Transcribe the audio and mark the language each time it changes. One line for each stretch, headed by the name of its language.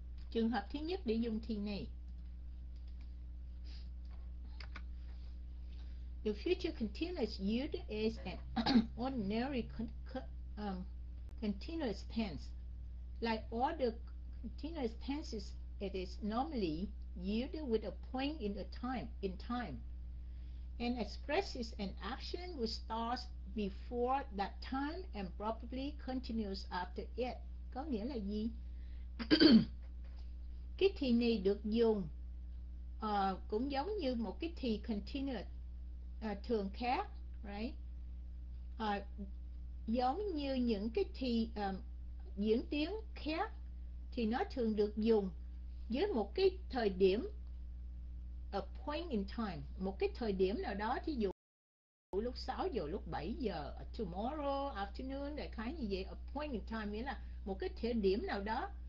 Vietnamese: Trường hợp thứ nhất để dùng thì này,
English: the future continuous used is an ordinary continuous tense. Like all the continuous tenses, it is normally used with a point in a time, in time, and expresses an action which starts before that time and probably continues after it.
Vietnamese: Có nghĩa là gì? Cái thì này được dùng cũng giống như một cái thì continuous thường khác, right? Giống như những cái thì diễn tiến khác, thì nó thường được dùng với một cái thời điểm,
English: a point in time,
Vietnamese: một cái thời điểm nào đó, thí dụ lúc 6 giờ, lúc 7 giờ,
English: tomorrow afternoon,
Vietnamese: đại khái như vậy.
English: A point in time
Vietnamese: nghĩa là một cái thời điểm nào đó,